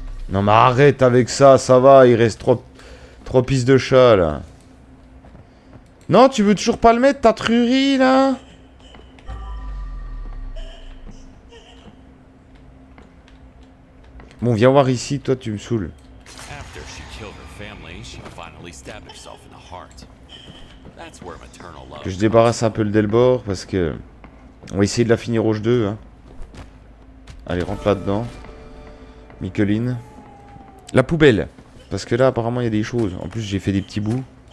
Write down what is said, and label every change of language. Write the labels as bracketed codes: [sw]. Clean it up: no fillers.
[fr] Non mais arrête avec ça, ça va, il reste trois pistes de chat là. Non, tu veux toujours pas le mettre, ta truie, là? Bon, viens voir ici, toi, tu me saoules. [en] After she killed her family, she finally stabbed herself in the heart. That's where maternal love. [fr] Que je débarrasse un peu le Delbord, parce que... On va essayer de la finir au jeu 2, hein. Allez, rentre là-dedans. Micheline. La poubelle. Parce que là, apparemment, il y a des choses. En plus, j'ai fait des petits bouts.